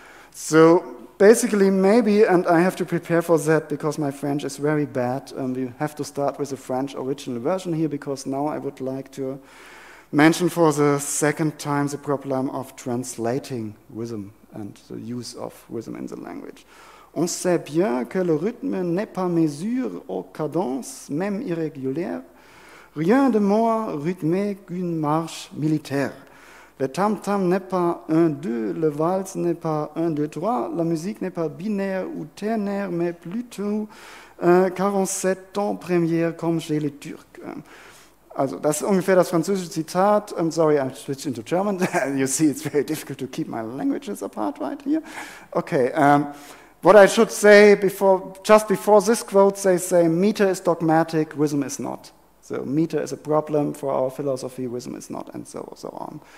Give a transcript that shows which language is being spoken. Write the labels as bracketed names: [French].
[English] So basically, maybe, and I have to prepare for that because my French is very bad, we have to start with the French original version here, because now I would like to mention for the second time the problem of translating rhythm and the use of rhythm in the language. [French] On sait bien que le rythme n'est pas mesure ou cadence, même irrégulière, rien de moins rythmé qu'une marche militaire. Le tam-tam n'est pas un deux, le valse n'est pas un deux trois, la musique n'est pas binaire ou ternaire, mais plutôt 47 temps première comme chez les Turcs. [German] Also, das ist ungefähr das französische Zitat. [English] I'm sorry, I switched into German. You see, it's very difficult to keep my languages apart right here. Okay. What I should say before, just before this quote, they say meter is dogmatic, rhythm is not. So meter is a problem for our philosophy, rhythm is not, and so on.